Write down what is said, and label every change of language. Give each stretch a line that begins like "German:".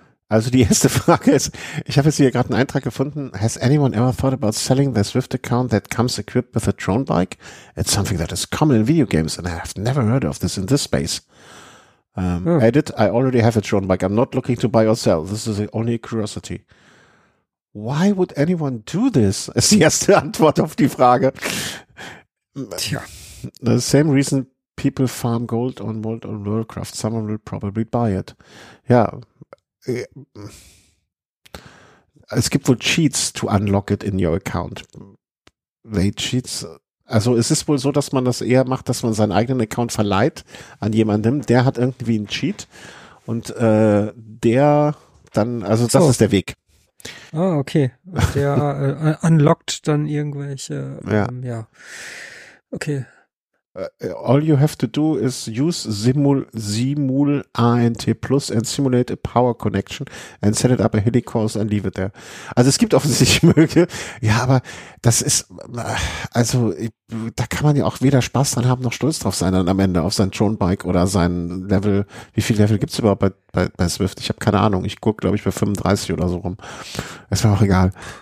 German: Also die erste Frage ist, ich habe jetzt hier gerade einen Eintrag gefunden.
English: Has anyone ever thought about selling the Swift account that comes equipped with a drone bike? It's something that is common in video games and I have never heard of this in this space. Edit, I already have a drone bike. I'm not looking to buy or sell. This is only a curiosity. Why would anyone do this?
German: Ist die erste Antwort auf die Frage. Tja.
English: The same reason people farm gold on World of Warcraft. Someone will probably buy it.
German: Ja. Es gibt wohl
English: Cheats to unlock it in your account. They cheats.
German: Also es ist wohl so, dass man das eher macht, dass man seinen eigenen Account verleiht an jemandem, der hat irgendwie einen Cheat und der dann, also das ist der Weg. Ah, okay. Der unlockt dann irgendwelche, ja. Okay.
English: All you have to do is use Simul ANT Plus and simulate a power connection and set it up a helicourse and leave it there.
German: Also es gibt offensichtlich Möglichkeiten. Ja, aber das ist, also da kann man ja auch weder Spaß dran haben noch stolz drauf sein dann am Ende auf sein Drone Bike oder sein Level. Wie viele Level gibt's überhaupt bei Swift? Ich habe keine Ahnung. Ich gucke, glaube ich, bei 35 oder so rum. Ist mir auch egal.